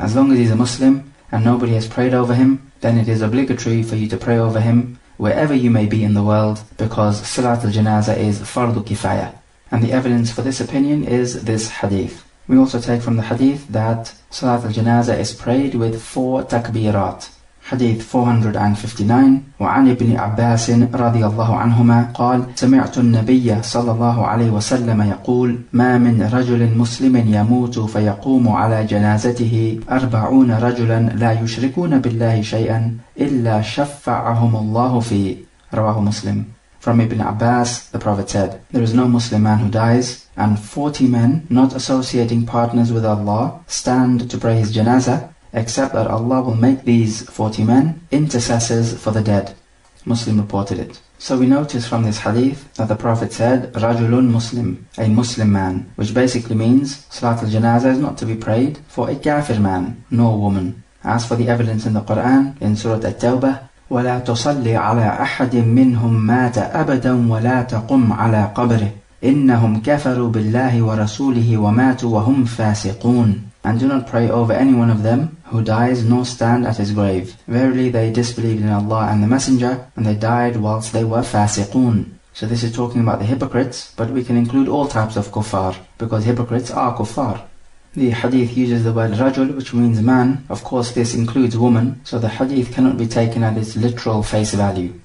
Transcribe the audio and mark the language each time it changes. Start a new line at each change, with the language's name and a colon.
English: As long as he's a Muslim and nobody has prayed over him, then it is obligatory for you to pray over him wherever you may be in the world, because Salat al-Janazah is fardu kifaya. And the evidence for this opinion is this hadith. We also take from the hadith that Salat al-Janazah is prayed with four takbirat.
Arabic: Hadith 459. وعن ابن عباس رضي الله عنهما قال سمعت النبي صلى الله عليه وسلم يقول ما من رجل مسلم يموت فيقوم على جنازته 40 رجلا لا يشركون بالله شيئا إلا شفعهم الله فيه. رواه مسلم.
English: From Ibn Abbas, the Prophet said, there is no Muslim man who dies, and 40 men not associating partners with Allah stand to pray his janazah, except that Allah will make these 40 men intercessors for the dead. Muslim reported it. So we notice from this hadith that the Prophet said,
Arabic: رَجُلٌ مُسْلِمٌ,
English: a Muslim man, which basically means Salat al-Janazah is not to be prayed for a kafir man, nor woman. As for the evidence in the Qur'an, in Surah At-Tawbah,
Arabic: وَلَا تُصَلِّ عَلَىٰ أَحَدٍ مِّنْهُمْ مَاتَ أَبَدًا وَلَا تَقُمْ عَلَىٰ قَبْرِهِ إِنَّهُمْ كَفَرُوا بِاللَّهِ وَرَسُولِهِ وَمَاتُوا وَهُمْ فَاسِقُونَ.
English: And do not pray over any one of them who dies nor stand at his grave. Verily they disbelieved in Allah and the Messenger, and they died whilst they were fasiqun. So this is talking about the hypocrites, but we can include all types of kuffar, because hypocrites are kuffar. The hadith uses the word rajul, which means man. Of course this includes woman, so the hadith cannot be taken at its literal face value.